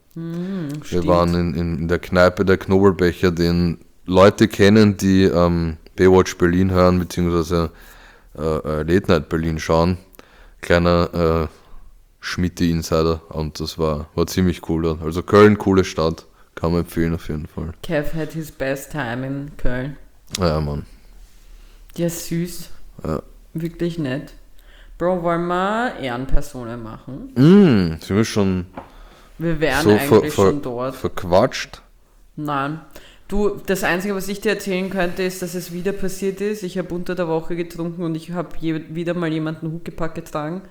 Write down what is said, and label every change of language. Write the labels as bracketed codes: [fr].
[de] Wir waren in der Kneipe der Knobelbecher, den Leute kennen, die Baywatch Berlin hören, beziehungsweise Late Night Berlin schauen. Kleiner Schmitti-Insider. Und das war ziemlich cool dort. Also Köln, coole Stadt. Kann man empfehlen auf jeden Fall. [en] Kev had his best time in Köln. [de] Ja, Mann. Ja, süß. Ja. Wirklich nett. Bro, wollen wir Ehrenpersonen machen? Sind wir schon... Wir wären so eigentlich schon dort. Verquatscht? Nein. Du, das Einzige, was ich dir erzählen könnte, ist, dass es wieder passiert ist. Ich habe unter der Woche getrunken und ich habe wieder mal jemanden Huckepack getragen.